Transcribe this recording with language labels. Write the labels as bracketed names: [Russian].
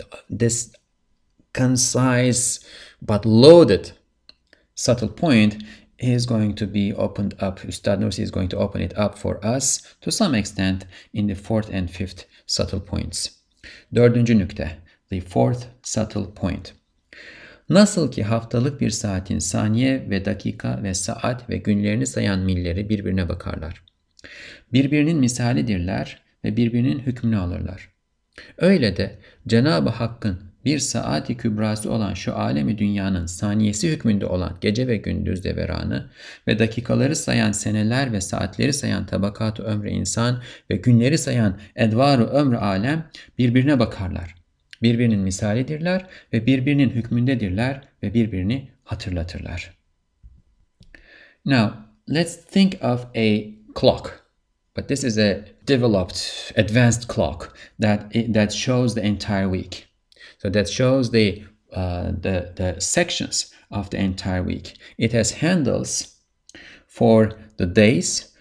[English] This concise but loaded subtle point is going to be opened up. Ustad Nursi is going to open it up for us to some extent in the fourth and fifth subtle points. [Turkish] Dördüncü nükte, [English] the fourth subtle point. [Turkish] Nasıl ki haftalık bir saatin saniye ve dakika ve saat ve günlerini sayan milleri birbirine bakarlar. Birbirinin misalidirler ve birbirinin hükmünü alırlar. Öyle de Cenab-ı Hakk'ın bir saati kübrası olan şu alemi dünyanın saniyesi hükmünde olan gece ve gündüz deveranı ve dakikaları sayan seneler ve saatleri sayan tabakat-ı ömre insan ve günleri sayan edvar-ı ömre alem birbirine bakarlar. Birbirinin misalidirler ve birbirinin hükmündedirler ve birbirini hatırlatırlar. [English] Now, let's think of a clock. But this is a developed, advanced clock that shows the entire week. So that shows the sections of the entire week. It has handles for the days,